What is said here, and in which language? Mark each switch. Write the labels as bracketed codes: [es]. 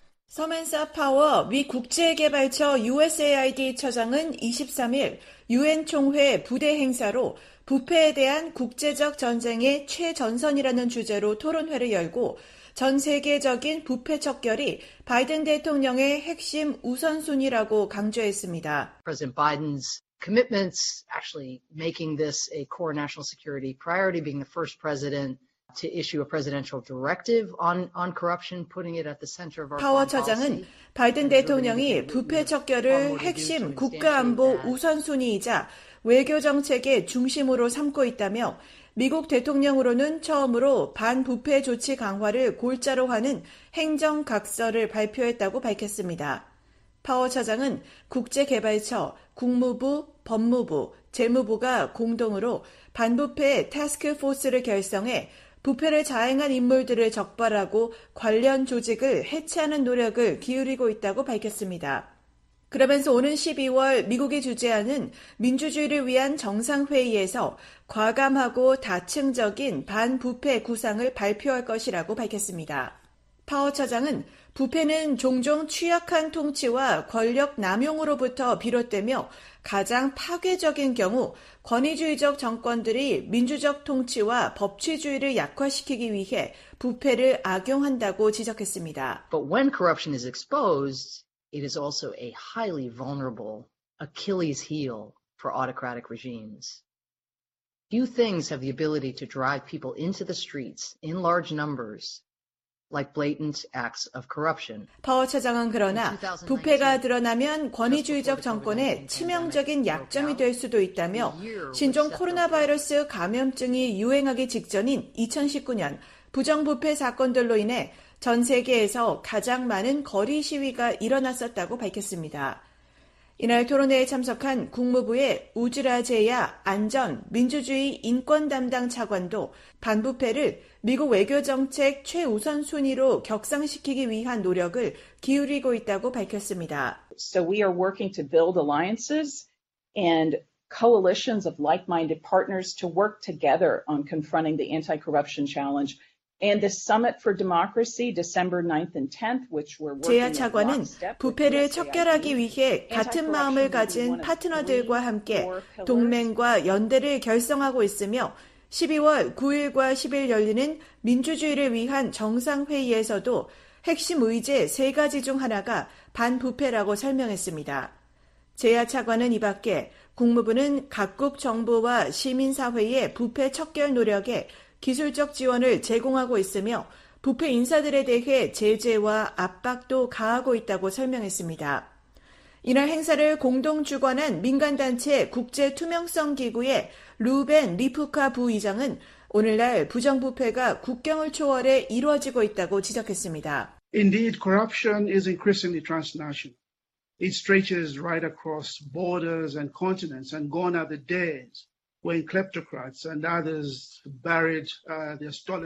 [ko] 서멘사 파워 위 국제개발처 USAID 처장은 23일 UN 총회 부대 행사로 부패에 대한 국제적 전쟁의 최전선이라는 주제로 토론회를 열고 전 세계적인 부패 척결이 바이든 대통령의 핵심 우선순위라고 강조했습니다. [en] President Biden's commitments actually making this a core national security priority, being the first president to issue a presidential directive on corruption, putting it at the center of our. [ko] 파워 처장은 바이든 대통령이 부패 척결을 핵심 국가 안보 우선순위이자 외교 정책의 중심으로 삼고 있다며. 미국 대통령으로는 처음으로 반부패 조치 강화를 골자로 하는 행정각서를 발표했다고 밝혔습니다. 파워 차장은 국제개발처, 국무부, 법무부, 재무부가 공동으로 반부패 태스크포스를 결성해 부패를 자행한 인물들을 적발하고 관련 조직을 해체하는 노력을 기울이고 있다고 밝혔습니다. 그러면서 오는 12월 미국이 주재하는 민주주의를 위한 정상회의에서 과감하고 다층적인 반부패 구상을 발표할 것이라고 밝혔습니다. 파워 차장은 부패는 종종 취약한 통치와 권력 남용으로부터 비롯되며 가장 파괴적인 경우 권위주의적 정권들이 민주적 통치와 법치주의를 약화시키기 위해 부패를 악용한다고 지적했습니다. [en] But when corruption is exposed, it is also a highly vulnerable Achilles heel for autocratic regimes. Few things have the ability to drive people into the streets in large numbers, like blatant acts of corruption. [ko] 파워 차장은 그러나 부패가 드러나면 권위주의적 정권의 치명적인 약점이 될 수도 있다며 신종 코로나 바이러스 감염증이 유행하기 직전인 2019년 부정부패 사건들로 인해 전 세계에서 가장 많은 거리 시위가 일어났었다고 밝혔습니다. 이날 토론회에 참석한 국무부의 우즈라 제야 안전, 민주주의, 인권 담당 차관도 반부패를 미국 외교정책 최우선순위로 격상시키기 위한 노력을 기울이고 있다고 밝혔습니다. [en] So we are working to build alliances and coalitions of like-minded partners to work together on confronting the anti-corruption challenge. And the Summit for Democracy, December 9th and 10th, which we're working on. [ko] 제야 차관은 부패를 척결하기 위해 같은 마음을 가진 파트너들과 함께 동맹과 연대를 결성하고 있으며 12월 9일과 10일 열리는 민주주의를 위한 정상회의에서도 핵심 의제 세 가지 중 하나가 반부패라고 설명했습니다. 제야 차관은 이 밖에 국무부는 각국 정부와 시민사회의 부패 척결 노력에 기술적 지원을 제공하고 있으며 부패 인사들에 대해 제재와 압박도 가하고 있다고 설명했습니다. 이날 행사를 공동 주관한 민간단체 국제투명성기구의 루벤 리프카 부의장은 오늘날 부정부패가 국경을 초월해 이루어지고 있다고 지적했습니다. [en] Indeed, corruption is increasingly transnational. It stretches right across borders and continents, and gone are the days when kleptocrats and others buried their stolen.